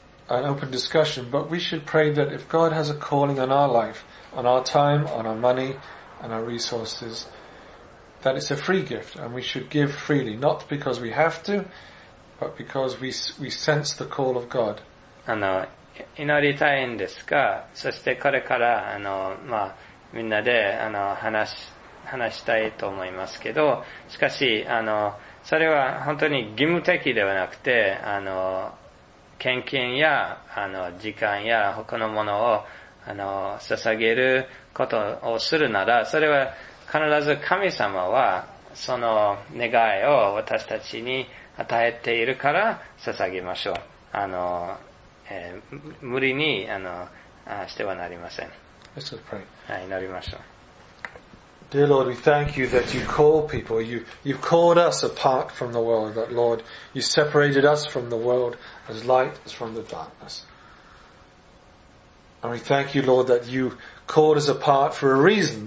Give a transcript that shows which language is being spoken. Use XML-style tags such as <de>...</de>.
<en>An open discussion, but we should pray that if God has a calling on our life, on our time, on our money, and our resources, that it's a free gift, and we should give freely, not because we have to, but because we sense the call of God.</en> <ja>祈りたいんですが、そしてこれからまあみんなで話したいと思いますけど、しかしそれは本当に義務的ではなくて献金や時間や他のものを捧げることをするなら、それは必ず神様はその願いを私たちに与えているから捧げましょう。無理にしてはなりません。</ja> <en>Let's pray.</en> <ja>はい、祈りましょう。</ja> <en>Dear Lord, we thank you that you call people. You've called us apart from the world, that Lord, you separated us from the world as light as from the darkness. And we thank you, Lord, that you called us apart for a reason.</en>